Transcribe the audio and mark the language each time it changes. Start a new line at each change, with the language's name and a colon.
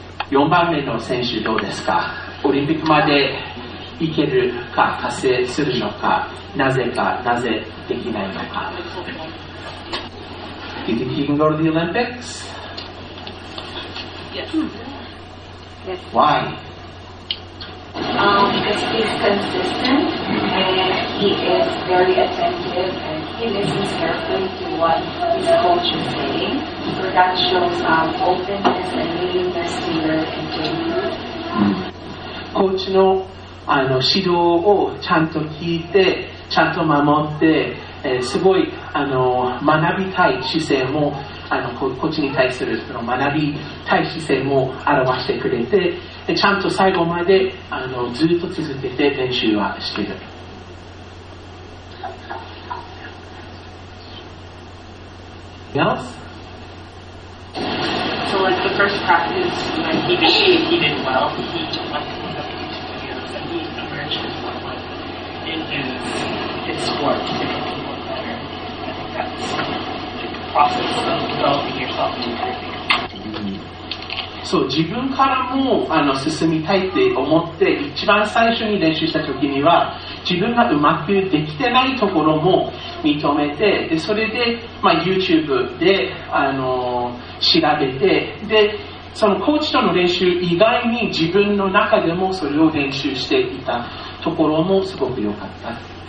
Japanese: 4番目の選手どうですか？オリンピックまで行けるか、達成するのか、なぜか、なぜできないのか。
English: Do you think he can go to the Olympics? Yes. Why? Because he's consistent and he is very attentive and he listens carefully to what his coach is saying. So that shows openness and willingness to learn and to improve.
Japanese: コーチの、あの指導をちゃんと聞いてちゃんと守って、すごいあの学びたい姿勢もあのコーチに対するその学びたい姿勢も表してくれてでちゃんと最後まであのずっと続けて練習はしている。
English: Yes? So like the first practice when he did well, he took like one of the videos and he emerged as one of them in his sport to make people better. I think that's like the process of developing yourself and improving.
Japanese: そう自分からもあの進みたいって思って一番最初に練習した時には自分がうまくできてないところも認めてでそれで、まあ、YouTube で、調べてでそのコーチとの練習以外に自分の中でもそれを練習していたところもすごく良かった